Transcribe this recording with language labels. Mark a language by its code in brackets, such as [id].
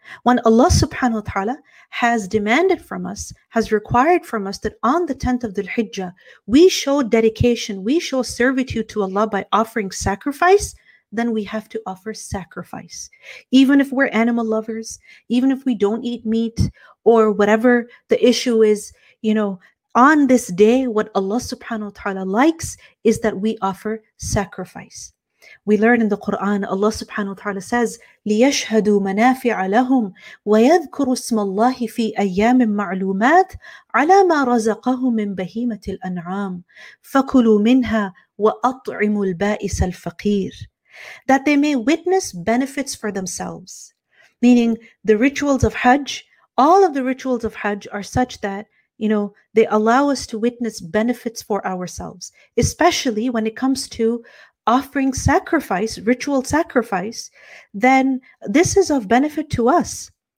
[en] When Allah subhanahu wa ta'ala has demanded from us, has required from us that on the 10th of Dhul Hijjah, we show dedication, we show servitude to Allah by offering sacrifice, then we have to offer sacrifice. Even if we're animal lovers, even if we don't eat meat or whatever the issue is, you know, on this day, what Allah subhanahu wa ta'ala likes is that we offer sacrifice. We learn in the Quran, Allah subhanahu wa ta'ala says, [ar] لِيَشْهَدُوا مَنَافِعَ لَهُمْ وَيَذْكُرُوا اسْمَ اللَّهِ فِي أَيَّامٍ مَعْلُومَاتٍ عَلَى مَا رَزَقَهُمْ مِنْ بَهِيمَةِ الْأَنْعَامِ فَكُلُوا مِنْهَا وَأَطْعِمُوا الْبَائِسَ الْفَقِيرِ. [en] That they may witness benefits for themselves. Meaning the rituals of Hajj, all of the rituals of Hajj are such that, you know, they allow us to witness benefits for ourselves, especially when it comes to offering sacrifice, ritual sacrifice, then this is of benefit to us.